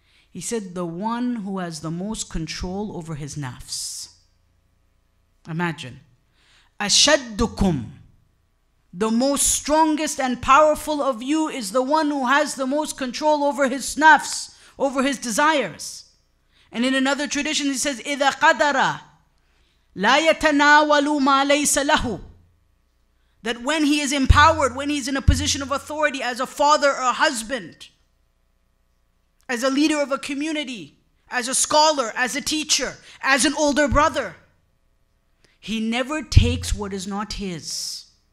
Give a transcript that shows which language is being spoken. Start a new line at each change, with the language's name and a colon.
English: He said the one who has the most control over his nafs. Imagine. Ashaddukum. The most strongest and powerful of you is the one who has the most control over his nafs, over his desires. And in another tradition, he says,
Arabic: إِذَا قَدَرَ لَا يَتَنَاوَلُ مَا لَيْسَ لَهُ.
English: That when he is empowered, when he's in a position of authority as a father or a husband, as a leader of a community, as a scholar, as a teacher, as an older brother, he never takes what is not his.